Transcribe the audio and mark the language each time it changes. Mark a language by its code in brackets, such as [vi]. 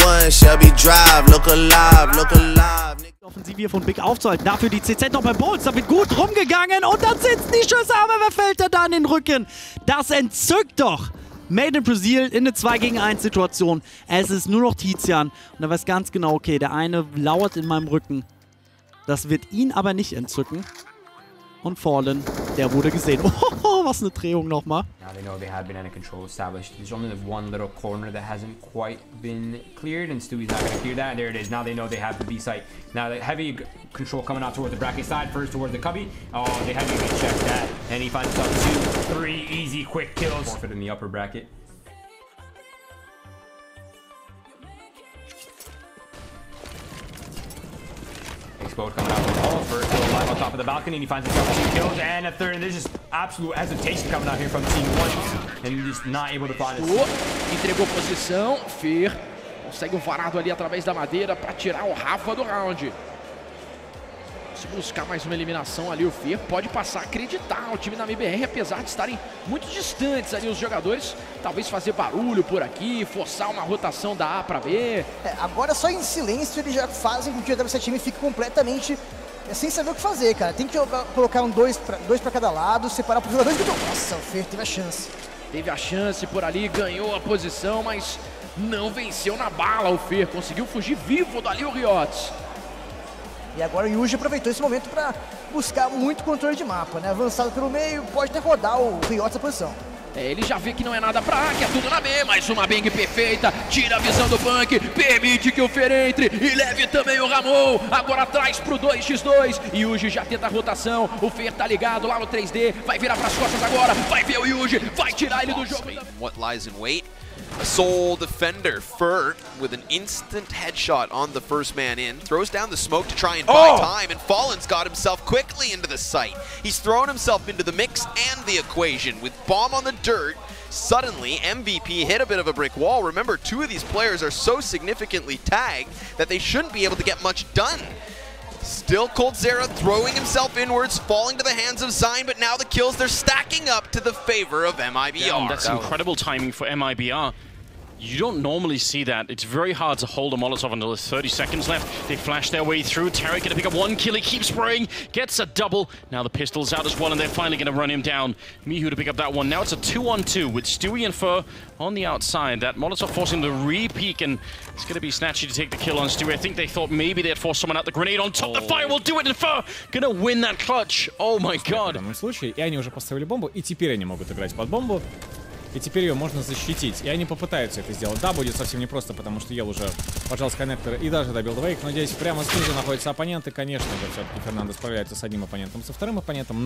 [en] Shelby Drive, look alive, look alive. [de] Offensive von Big aufzuhalten. Dafür die CZ noch bei Bolz. Da wird gut rumgegangen und dann sitzen die Schüsse. Aber wer fällt da an den Rücken? Das entzückt doch. Made in Brazil in eine 2 gegen 1 Situation. Es ist nur noch Tizian. Und er weiß ganz genau, okay, der eine lauert in meinem Rücken. Das wird ihn aber nicht entzücken. Und Fallen, der wurde gesehen. Oh, was eine Drehung nochmal. [en] Now they know they have been under control established. There's only one little corner that hasn't quite been cleared, and Stewie's not going to clear that. And there it is. Now they know they have the B site. Now the heavy control coming out towards the bracket side, first towards the cubby. Oh, they haven't even checked that. And he finds up 2, 3 easy quick kills. Forfeit in the upper bracket. Explode coming out. First kill alive on top of the balcony, and he finds himself 2 kills and a third, and there's just absolute hesitation coming out here from team one, and he's just not able to find it. [pt] Entregou posição, Fear consegue varado ali através da madeira para tirar o Rafa do round. Se buscar mais uma eliminação ali, o Fear pode passar a acreditar o time da MIBR, apesar de estarem muito distantes ali os jogadores. Talvez fazer barulho por aqui, forçar uma rotação da A para B. É, agora só em silêncio eles já fazem com que o W7M fique completamente sem saber o que fazer, cara. Tem que colocar um dois para cada lado, separar para os jogadores. Nossa, o Fer teve a chance. Teve a chance por ali, ganhou a posição, mas não venceu na bala o Fer. Conseguiu fugir vivo dali o Riot. E agora o Yuji aproveitou esse momento para buscar muito controle de mapa, né? Avançado pelo meio, pode até rodar o Riot essa posição. É, ele já vê que não é nada pra A, que é tudo na B. Mais uma bang perfeita, tira a visão do Punk, permite que o Fer entre e leve também o Ramon. Agora traz pro 2x2, Yuji já tenta a rotação, o Fer tá ligado lá no 3D, vai virar pras costas agora, vai ver o Yuji, vai tirar ele do jogo. [en] What lies in wait? A soul defender, Fur, with an instant headshot on the first man in, throws down the smoke to try and buy time, and Fallen's got himself quickly into the site. He's thrown himself into the mix and the equation, with bomb on the dirt. Suddenly, MVP hit a bit of a brick wall. Remember, two of these players are so significantly tagged that they shouldn't be able to get much done. Still Coldzera throwing himself inwards, falling to the hands of Zyne, but now the kills, they're stacking up to the favor of MIBR. Damn, that's incredible timing for MIBR. You don't normally see that. It's very hard to hold a Molotov until there's 30 seconds left. They flash their way through. Tarik gonna pick up one kill. He keeps spraying, gets a double. Now the pistol's out as well, and they're finally gonna run him down. Mihu to pick up that one. Now it's a 2-on-2 with Stewie and Fur on the outside. That Molotov forcing the re-peek, and it's gonna be Snatchy to take the kill on Stewie. I think they thought maybe they'd force someone out. The grenade on top. Oh. The fire will do it, and Fur gonna win that clutch. Oh my god. [ru] В данном случае, и они уже поставили бомбу, и теперь они могут играть под бомбу. И теперь ее можно защитить. И они попытаются это сделать. Да, будет совсем непросто, потому что Ел уже пожал с коннектора и даже добил двоих. Но здесь прямо снизу находятся оппоненты. Конечно же, все-таки Фернандо справляется с одним оппонентом, со вторым оппонентом.